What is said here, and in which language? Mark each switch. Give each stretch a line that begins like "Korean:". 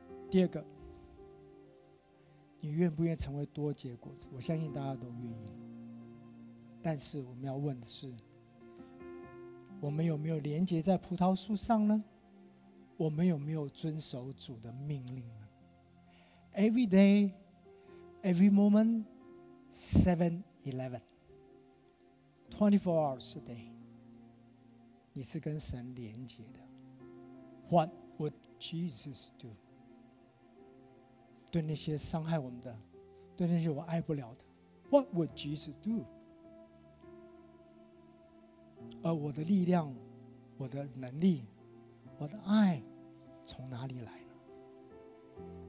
Chinese: 第二个，你愿不愿意成为多结果子？我相信大家都愿意，但是我们要问的是，我们有没有连结在葡萄树上呢？我们有没有遵守主的命令呢？
English: Every day, every moment, 7-1124 hours a day，
Chinese: 你是跟神连接的。
English: What would Jesus do？
Chinese: 对那些伤害我们的，对那些我爱不了的，
English: What would Jesus do？
Chinese: 而我的力量，我的能力，我的爱从哪里来呢？